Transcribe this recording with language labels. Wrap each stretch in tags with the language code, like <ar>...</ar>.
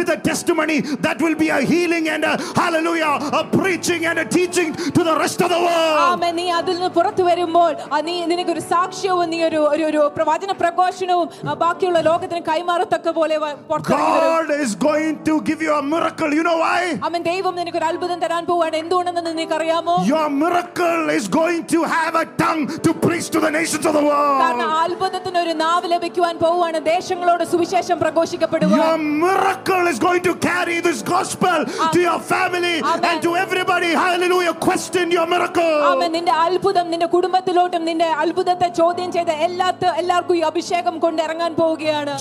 <ml>ചെയ്യുന്ന</ml> <en>be a healing and a hallelujah a preaching and a teaching to the rest of the world. Amen.</en> <ml>നീ അതിനെ പുറത്തു വരുമ്പോൾ നീ നിനക്ക് ഒരു സാക്ഷ്യവും നീ ഒരു ഒരു പ്രവചന പ്രഘോഷണവും ബാക്കിയുള്ള ലോകത്തിന് കൈമാറത്തക്ക പോലെ പുറത്തു വരും.</ml> <en>God is going to give you a miracle. You know why?</en> <ml>അമ്മേ ദൈവം നിനക്ക് ഒരു അത്ഭുതം തരാൻ പോവുകയാണ്. എന്തുകൊണ്ടെന്ന് നിനക്കറിയാമോ?</ml> <en>Your miracle is going to have a tongue to preach to the nations of the world.</en> <ml>കാരണം അത്ഭുതത്തിന് ഒരു നാവ് ലഭിക്കാൻ പോവുകയാണ്. ദേശങ്ങളോട് സുവിശേഷം പ്രഘോഷിക്കപ്പെടുക.</ml> <en>Your miracle is going to carry this gospel to your family. Amen. And to everybody. Hallelujah. Question your miracle. Amen.</en> <ml>നിന്റെ അത്ഭുതം നിന്റെ കുടുംബത്തിലോട്ടും നിന്റെ അത്ഭുതത്തെ ചോദ്യം ചെയ്ത എല്ലാവർക്കും ഈ അഭിഷേകം കൊണ്ട് ഇറങ്ങാൻ പോവുകയാണ്.</ml>